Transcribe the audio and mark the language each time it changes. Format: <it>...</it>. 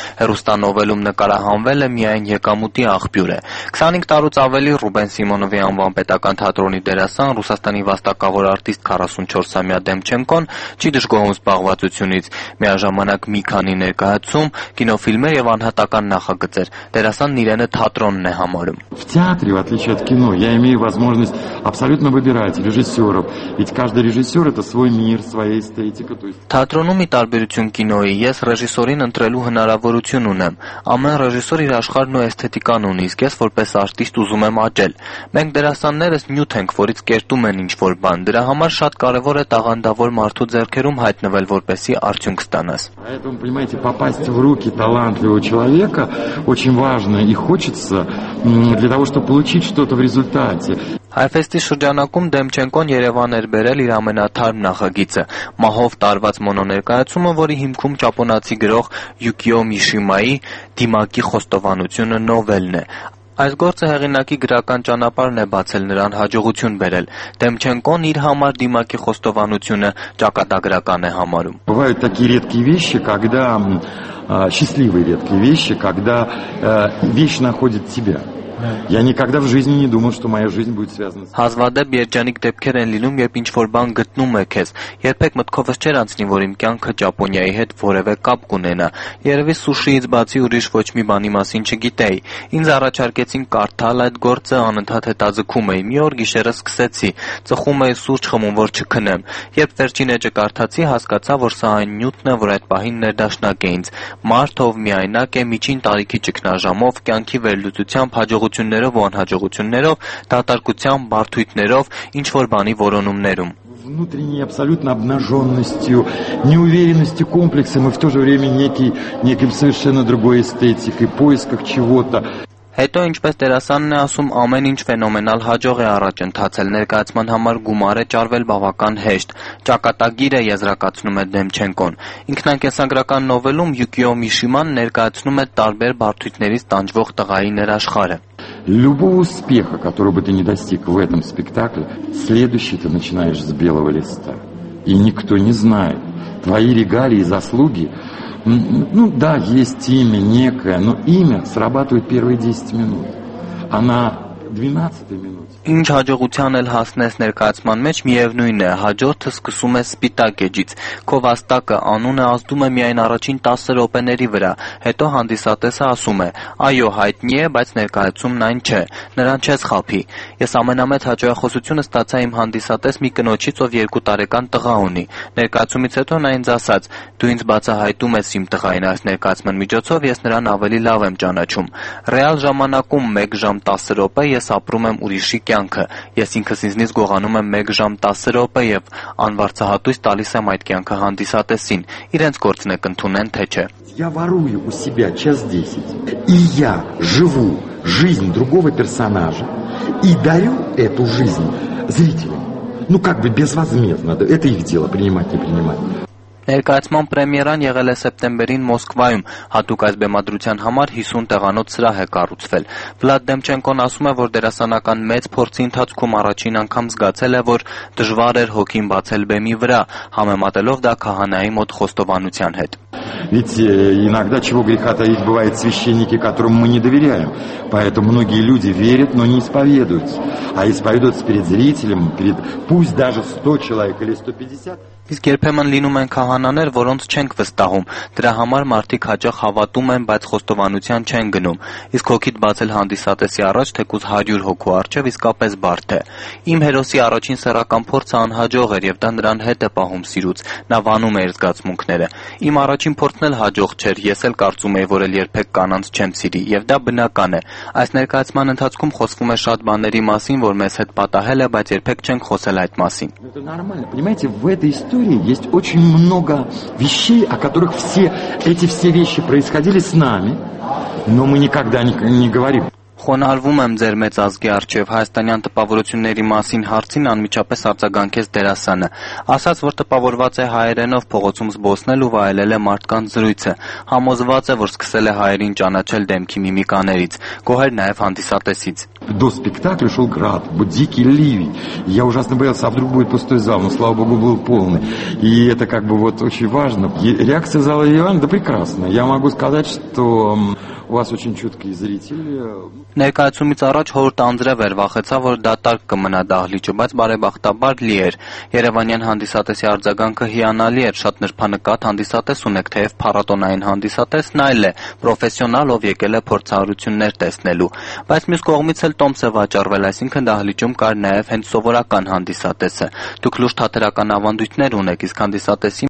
<hy>Հեռուստանովելում նկարահանվել է միայն եկամուտի աղբյուր է։ 25 տարուց ավելի Ռուբեն Սիմոնովի անվան պետական թատրոնի դերասան, Ռուսաստանի վաստակավոր արտիստ 44-ամյա Դեմչենկոն չի դժգոհում զբաղվածությունից։ Միաժամանակ մի քանի ներկայացում, կինոֆիլմեր եւ անհատական նախագծեր։ Դերասանն իրենը թատրոնն է համարում։</hy> <ru>В театре, в отличие от кино, я имею возможность абсолютно выбирать режиссёров, ведь каждый режиссёр это свой мир, своя эстетика, то есть</ru> <hy>Թատրոնում ի տարբերություն կինոյի ես ռեժիսորին ընտրելու հնարավորություն ունեմ։ Ամեն ռեժիսոր իր աշխարհն ու էսթետիկան ունի, իսկ ես որպես արտիստ ուզում եմ աճել։ Մենք դերասաններս նյութ ենք, որից կերտում են ինչ որ բան։ Դրա համար շատ կարևոր է տաղանդավոր մարդու ձեռքերում հայտնվել, որպեսզի արդյունք ստանաս։</hy> <ru>Поэтому, понимаете, попасть в руки талантливого человека очень важно и хочется для того, чтобы получить что-то в результате.</ru> <hy>Հայֆեստի շրջանակում Դեմչենկոն Երևան էր բերել իր ամենաթարմ նախագիծը՝ «Մահով տարված» մոնոներկայացումը, որի հիմքում ճապոնացի գրող Յուկիո Միշիմայի «Դիմակի խոստովանությունը» նովելն է։ Այս գործը հեղինակի գրական ճանապարհն է բացել նրան հաջողություն բերել։ Դեմչենկոն իր համար «Դիմակի խոստովանությունը» ճակատագրական է համարում։ Բայց դա կիրետքի վիշի,</hy> <ru>когда счастливые редкие вещи, когда вещь находит тебя. Я никогда в жизни не думал, что моя жизнь будет связана с</ru> <hy>Հազվադեպ երջանիկ դեպքեր են լինում, երբ ինչ-որ բան գտնում եք ես։ Երբեք մտքովս չէր անցնի, որ իմ կյանքը Ճապոնիայի հետ որևէ կապ կունենա։ Երևի սուշիից բացի ուրիշ ոչ մի բանի մասին չգիտեի։ Ինձ առաջարկեցին կարդալ այդ գործը, անընդհատ հետաձգում էի։ Մի օր գիշերը սկսեցի, ծխում էի սուրճ խմում, որ չքնեմ։ Երբ վերջին էջը կարդացի, հասկացա, որ սա այն նյութն է, որ այդ պահին ներդաշնակ է ինձ։ Մարդով միայնակ է միջին տարիքի ճգնաժամով, կյանքի վերլուծությամբ, հաջողություններով ու անհաջողություններով, դատարկությամբ, բարդույթներով, ինչ որ բանի որոնումներում։</hy> <ru>Внутренней абсолютно обнаженностью, неуверенностью, комплексом и в то же время неким совершенно другой эстетикой, поисках чего-то.</ru> <hy>Հետո, ինչպես դերասանն է ասում, ամեն ինչ ֆենոմենալ հաջող է առաջ ընթացել, ներկայացման համար գումարը ճարվել բավական հեշտ։ Ճակատագիրը եզրակացնում է Դեմչենկոն։ Ինքնակենսագրական նովելում Յուկիո Միշիման ներկայացնում է տարբեր բարդույթներից տանջվող տղայի ներաշխարը։</hy> <ru>Любого успеха, который бы ты не достиг в этом спектакле, следующий ты начинаешь с белого листа. И никто не знает твои регалии и заслуги. Ну да, есть имя некое, но имя срабатывает первые 10 минут. Она 12-й минут.</ru> <hy>Ինչ հաջողության էլ հասնես ներկայացման մեջ, միևնույն է, հաջորդը սկսում է սպիտակ էջից։ Քո վաստակը, անունը ազդում է միայն առաջին 10 րոպեների վրա, հետո հանդիսատեսը ասում է. «Այո, հայտնի է, բայց ներկայացումն այն չէ, նրան չես խափի»։ Ես ամենամեծ հաջողությունը ստացա իմ հանդիսատես մի կնոջից, ով 2 տարեկան տղա ունի։ Ներկայացումից հետո նա ինձ ասաց. «Դու ինձ բացահայտում ես իմ տղային այս ներկայացման միջոցով, ես նրան ավելի լավ եմ ճանաչում»։ Ռեալ ժամանակում 1 ժամ 10 րոպե ես ապրում եմ ուրիշ կյանքը, ես ինքս ինձնից գողանում եմ 1 ժամ 10 րոպե եւ անվարձահատույց տալիս եմ այդ կյանքը հանդիսատեսին, իրենց գործն է կընթունեն թե չէ։</hy> <ru>Я ворую у себя час 10 и я живу жизнь другого персонажа и даю эту жизнь зрителям. Ну как бы безвозмездно, это их дело принимать не принимать.</ru> <hy>Ներկայացման պրեմիերան եղել է սեպտեմբերին Մոսկվայում, հատուկ այս բեմադրության համար 50 տեղանոց սրահ է կառուցվել։ Վլադ Դեմչենկոն ասում է, որ դերասանական մեծ փորձի ընթացքում առաջին անգամ զգացել է, որ դժվար էր հոգին բացել բեմի վրա, համեմատելով դա քահանայի մոտ խոստովանության հետ։</hy> <ru>Ведь иногда чего греха таить, бывают священники, которым мы не доверяем. Поэтому многие люди верят, но не исповедуются. А исповедуются перед зрителем, перед пусть даже 100 человек или 150.</ru> <hy>Իսկ երբեմն լինում են քահանաներ, որոնց չենք վստահում, դրա համար մարդիկ հաճախ հավատում են, բայց խոստովանության չեն գնում, իսկ հոգիդ բացել հանդիսատեսի առաջ, թեկուզ 100 հոգու առջև իսկապես բարդ է։ Իմ հերոսի առաջին սեռական փորձը անհաջող էր, եւ դա նրան հետ է պահում սիրուց, նա վանում է իր զգացմունքները։ Իմ առաջին փորձն էլ հաջող չէր, ես էլ կարծում էի, որ երբեք կանանց չեմ սիրի, եւ դա բնական է։ Այս ներկայացման ընթացքում խոսվում է շատ բաների մասին, որ մեզ հետ պատահել է, բայց երբեք չենք խոսել այդ մասին։</hy> <ru>Есть очень много вещей, о которых все эти все вещи происходили с нами, но мы никогда не говорим.</ru> <hy>Խոնարհվում եմ ձեր մեծ ազգի արչև հայաստանյան տպավորությունների մասին հարցին անմիջապես արձագանքեց դերասանը, ասաց, որ տպավորված է հայերենով փողոցում զբոսնել ու վայելել է մարդկանց զրույցը, համոզված է, որ սկսել է հայերին ճանաչել դեմքի միմիկաներից, գոհեր նաև հանդիսատեսից.</hy> <ru>До спектакля шёл град, был дикий ливень. Я ужасно боялся, вдруг будет пустой зал, но слава богу, был полный. И это как бы вот очень важно. Реакция зала Иван да прекрасная. Я могу сказать, что у вас очень чуткие зрители.</ru> <hy>Ներկայացումից առաջ հորդ անձրև էր վախեցավ, որ դատարկ կմնա դահլիճը, բայց բարեբախտաբար լի էր։ Երևանյան հանդիսատեսի արձագանքը հիանալի էր, շատ նրբանկատ հանդիսատես ունեք, թեև փառատոնային հանդիսատես նայլ է, պրոֆեսիոնալ, ով եկել է փորձառություններ տեսնելու, բայց մյուս կողմից էլ տոմս է վաճառվել, այսինքն դահլիճում կար նաև հենց սովորական հանդիսատեսը։ Դուք լուրջ թատերական ավանդույթներ ունեք, իսկ հանդիսատեսին</hy>